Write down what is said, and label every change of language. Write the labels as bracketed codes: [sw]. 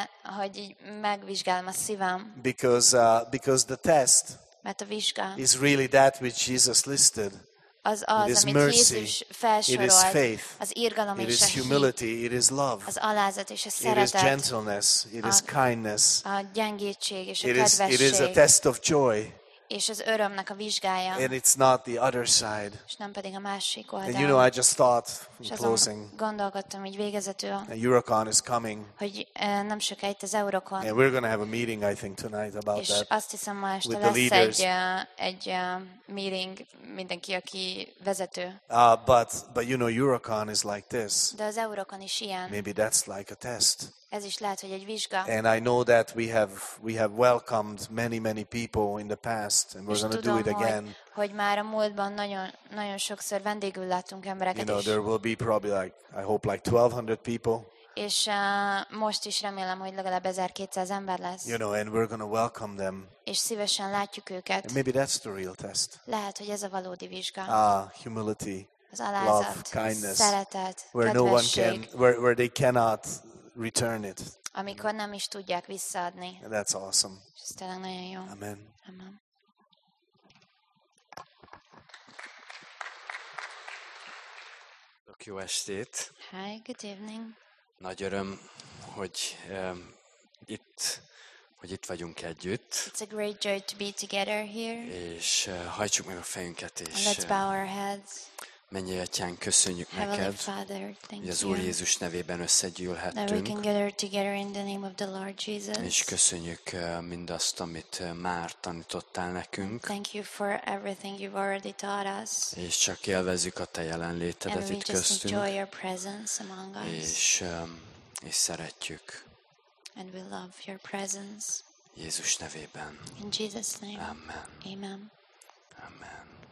[hu] Hogy megvizsgálom a szívem. [en] Because the test. [hu] Mert a vizsga. [en] Is really that which Jesus listed. [hu] Az, [en] it is mercy. It is faith. [hu] Az irgalom [en] it is humility. It is love. [hu] Az alázat és a szeretet. [en] It is gentleness. It is kindness. [hu] A gyengétség és a [en] kedvesség. It is a test of joy. [hu] És az örömnek a vizsgája. [en] And it's not the other side. [hu] És nem pedig a másik oldal. [en] And you know, I just thought in closing. [hu] Gondolkodtam így végezetül. [en] And Eurocon is coming. [hu] Hogy nem sokáig az Eurocon. [en] And we're going to have a meeting, I think, tonight about [hu] és [en] that. [hu] És azt hiszem, ma este lesz egy meeting, mindenki, aki vezető. [en] But you know, Eurocon is like this. [hu] De az Eurocon is ilyen. [en] Maybe that's like a test. [hu] Ez is lehet, hogy egy vizsga. [en] And I know that we have welcomed many people in the past and we're going to do it again. [hu] Hogy már a múltban nagyon sokszor vendégül láttunk embereket. [en] You know, there will be probably like I hope like 1200 people. [hu] És most is remélem, hogy legalább 1200 ember lesz. [en] You know, and we're going to welcome them. [hu] És szívesen látjuk őket. [en] And maybe that's the real test. [hu] Lehet, hogy ez a valódi vizsga. [en] Humility. [hu] Az alázat, [en] love, kindness. [hu] Szeretet, [en] where [hu] kedvesség. [en] No one can where they cannot return it. [hu] Amikor nem is tudják visszaadni. [en] And that's awesome. [hu] Ez tényleg nagyon jó. [en] Amen. [hu] Amen. Jó estét. [en] Hi, good evening. [hu] Nagy öröm, hogy itt, hogy itt vagyunk együtt. [en] It's a great joy to be together here. [hu] És hajtsuk meg a fejünket, és [en] let's bow our heads. [hu] Mennyi atyán, köszönjük neked, hogy az Úr Jézus nevében összegyűlhettünk. És köszönjük mindazt, amit már tanítottál nekünk. [en] Thank you for everything you've already taught us. [hu] És csak élvezzük a te jelenlétedet itt köztünk. [en] Enjoy your presence among us. [hu] És szeretjük. [en] And we love your presence. [hu] Jézus nevében. [en] In Jesus name. Amen. [hu] Amen. Amen.